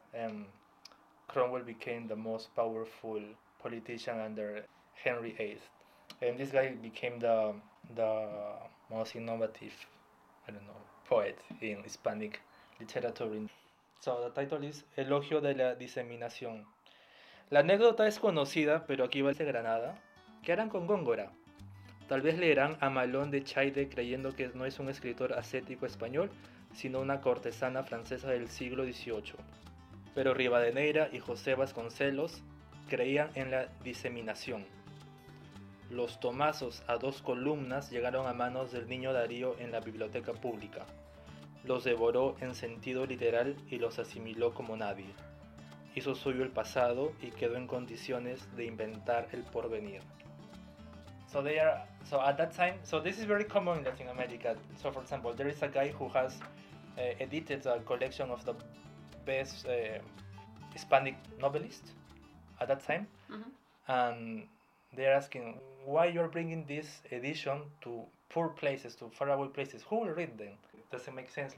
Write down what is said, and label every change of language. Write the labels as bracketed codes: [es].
[en] And Cromwell became the most powerful politician under Henry VIII. And this guy became the most innovative, I don't know, poet in Hispanic literature. So the title is Elogio de la Diseminación. [es] La anécdota es conocida, pero aquí va el de Granada. ¿Qué harán con Góngora? Tal vez leerán a Malón de Chaide creyendo que no es un escritor ascético español, sino una cortesana francesa del siglo XVIII. Pero Rivadeneira y José Vasconcelos creían en la diseminación. Los tomazos a dos columnas llegaron a manos del niño Darío en la biblioteca pública. Los devoró en sentido literal y los asimiló como nadie. Hizo suyo el pasado y quedó en condiciones de inventar el porvenir. [en] So this is very common in Latin America. So for example, there is a guy who has edited a collection of the best Hispanic novelists at that time, mm-hmm. and they're asking why you're bringing this edition to poor places, to faraway places. Who will read them? Doesn't make sense.